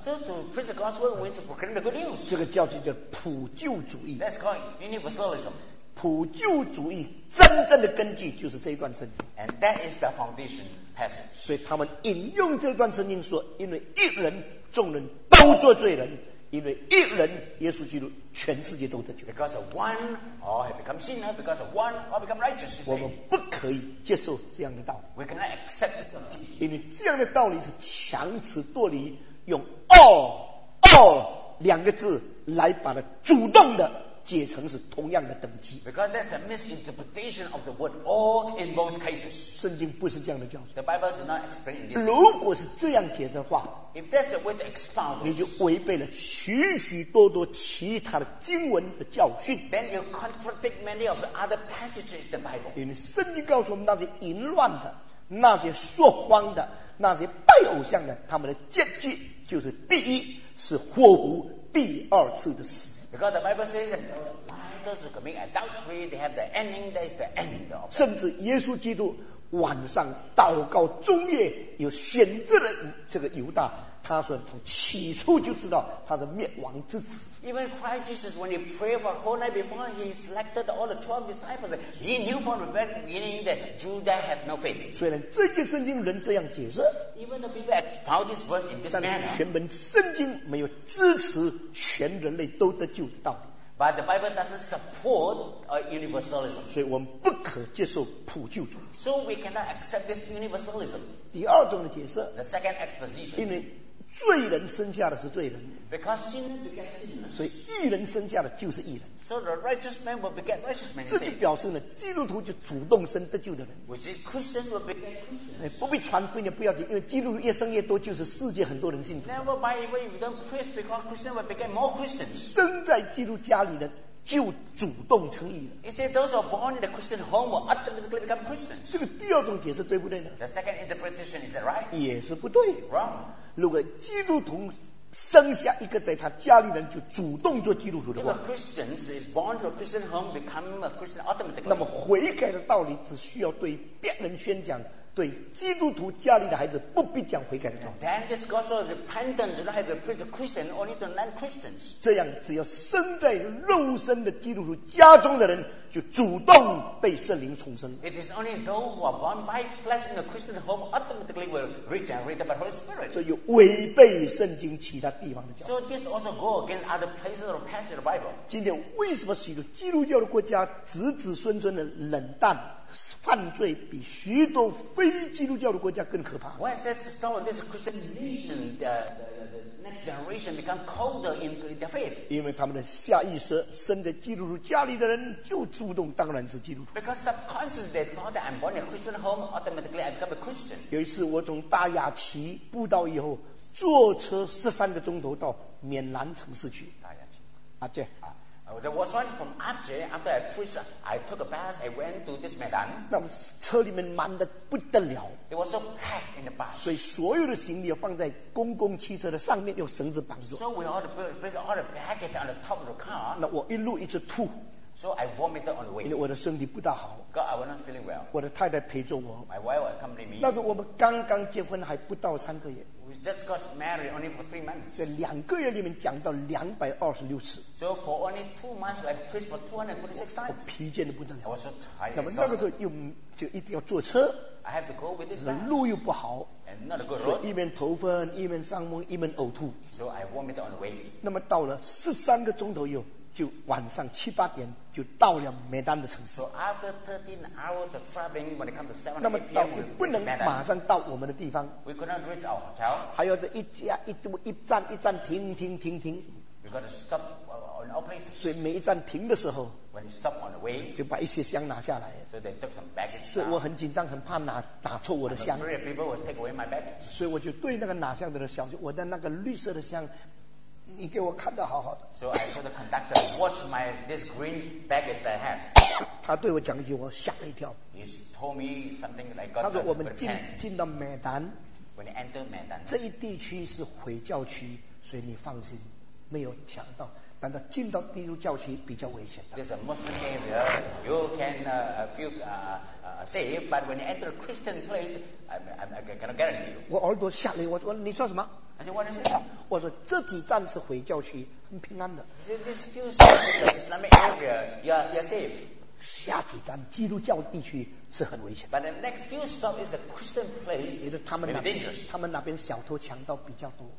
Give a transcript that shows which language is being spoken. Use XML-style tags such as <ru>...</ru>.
<en>So to preach the gospel, we need to proclaim the good news.</en> <zh>这个教义叫普救主义。</zh> <en>That's called universalism.</en> <zh>普救主义真正的根据就是这一段圣经。</zh> <en>And that is the foundation passage.</en> <zh>所以他们引用这段圣经说，因为一人，众人都做罪人。因为一人耶稣基督全世界都得救。</zh> <en>Because of one all have become sinner, because of one all become righteous.</en> <zh>我们不可以接受这样的道理。</zh> <en>We cannot accept it.</en> <zh>因为这样的道理是强词夺理，用 all 两个字来把它主动的解成是同样的等级。</zh> <en>Because that's the misinterpretation of the word all in both cases.</en> <zh>圣经不是这样的教义。</zh> <en>The Bible does not explain this.</en> <zh>如果是这样解的话，</zh> <en>If that's the way to expound,</en> <zh>你就违背了许许多多其他的经文的教训。</zh> <en>Then you contradict many of the other passages in the Bible.</en> <zh>因为圣经告诉我们，那些淫乱的，那些说谎的，那些拜偶像的，他们的结局就是第一是火湖，第二次的死。</zh> <en>Because the Bible says that those who commit adultery, they have the ending, that is the end of them.</en> <zh>甚至耶稣基督晚上祷告中夜，有选择了这个犹大，他说从起初就知道他是灭亡之子。</zh> <en>Even Christ Jesus, when he prayed for a whole night before, he selected all the 12 disciples. He knew from the beginning that Judas have no faith.</en> <zh>虽然这节圣经能这样解释，</zh> <en>even the people expound this verse in this manner,</en> <zh>但是全本圣经没有支持全人类都得救的道理。</zh> <en>But the Bible doesn't support universalism.</en> <zh>所以我们不可接受普救主义。</zh> <en>So we cannot accept this universalism.</en> <zh>第二种的解释，</zh> <en>the second exposition.</en> <zh>因为罪人生下的是罪人，</zh> <en>because sin begets sin.</en> <zh>所以义人生下的就是义人。</zh> <en>So the righteous man will beget righteous man.</en> <zh>这就表示呢，基督徒就主动生得救的人。</zh> <en>Which is Christians will beget Christians.</en> <zh>不必传福音也不要紧，因为基督徒越生越多，就是世界很多人信主。</zh> <en>Never by even if you don't preach, because Christians will beget more Christians.</en> <zh>生在基督家里的就主动成义了。</zh> <en>You see, those who are born in the Christian home will automatically become Christians.</en> <zh>这个第二种解释对不对呢？</zh> <en>The second interpretation is that right?</en> <zh>也是不对。</zh> <en>Wrong.</en> <zh>如果基督徒生下一个在他家里人就主动做基督徒的话，</zh> <en>If a Christian is born to a Christian home, become a Christian automatically.</en> <zh>那么悔改的道理只需要对别人宣讲，对基督徒家里的孩子不必讲悔改的道理。</zh> <en>Then this gospel of repentance does not have to preach to Christians, only to non-Christians.</en> <zh>这样只要生在肉身的基督徒家中的人就主动被圣灵重生。</zh> <en>It is only those who are born by flesh in a Christian home automatically will regenerate by Holy Spirit.</en> <zh>这又违背圣经其他地方的教。</zh> <en>So this also goes against other places of passage of the Bible.</en> <zh>今天为什么许多基督教的国家子子孙孙的冷淡犯罪比许多非基督教的国家更可怕。</zh> <en>Why is that some of this Christian nation, the next generation become colder in their faith?</en> <zh>因为他们的下意识，生在基督徒家里的人就主动当然是基督徒。</zh> <en>Because subconsciously they thought that I'm born in a Christian home, automatically I become a Christian.</en> <zh>有一次我从大雅其步道以后，坐车13个钟头到缅南城市去。大雅其，啊对。</zh> <en>There was one from Aceh. After I preached, I took a bus. I went to this Medan.</en> <zh>那车里面满的不得了。</zh> <en>It was so packed in the bus.</en> <zh>所以所有的行李要放在公共汽车的上面，用绳子绑住。</zh> <en>So we all the baggage on the top of the car.</en> <zh>那我一路一直吐。</zh> <en>So I vomited on the way.</en> <zh>因为我的身体不大好。</zh> <en>God, I was not feeling well.</en> <zh>我的太太陪着我。</zh> <en>My wife accompanied me.</en> <zh>那时候我们刚刚结婚，还不到三个月。</zh> <en>We just got married only for 3 months.</en> <zh>在两个月里面讲到226次。</zh> <en>So for only 2 months, I preached for 226 times.</en> <zh>我疲倦的不得了。</zh> <en>I was so tired.</en> <zh>那么那个时候又就一定要坐车。</zh> <en>I have to go with this bus.</en> <zh>路又不好。</zh> <en>And not a good road.</en> <zh>一边头昏，一边上梦，一边呕吐。</zh> <en>So I vomited on the way.</en> <zh>那么到了13个钟头又。就晚上7-8点就到了梅丹的城市。</zh> <en>So after 13 hours of traveling, when it comes to 7 p.m.</en> <zh>那么到又不能马上到我们的地方。</zh> <en>We could not reach our hotel.</en> <zh>还要这一站一站停停停停。</zh> <en>We got to stop on our places.</en> <zh>所以每一站停的时候</zh> <en>，When you stop on the way,</en> <zh>就把一些箱拿下来。</zh> <en>So they took some baggage.</en> <zh>所以我很紧张，很怕打错我的箱。</zh> <en>I'm afraid people will take away my baggage.</en> <zh>所以我就对那个拿箱的人小心，我的那个绿色的箱。你给我看得好好的。</zh> <en>So I told the conductor, watch my this green baggage that I have.</en> <zh>他对我讲一句，我吓了一跳。</zh> <en>He told me something like God.</en> <zh>他说我们进到美丹。</zh> <en>When you enter 美丹。</en> <zh>这一地区是回教区，所以你放心，没有强盗。但是进到基督教区比较危险的。</zh> <en>This is a Muslim area. You can feel safe, but when you enter a Christian place, I cannot guarantee you.</en> <zh>我耳朵吓了，我说你说什么？而且我是这样，我说这几站是回教区，很平安的。</zh> <en>This few stops in Islamic area, you're safe.</en> <zh>下几站基督教地区是很危险。</zh> <en>But the next few stops is a Christian place.</en> <zh>因为他们那边小偷强盗比较多。</zh>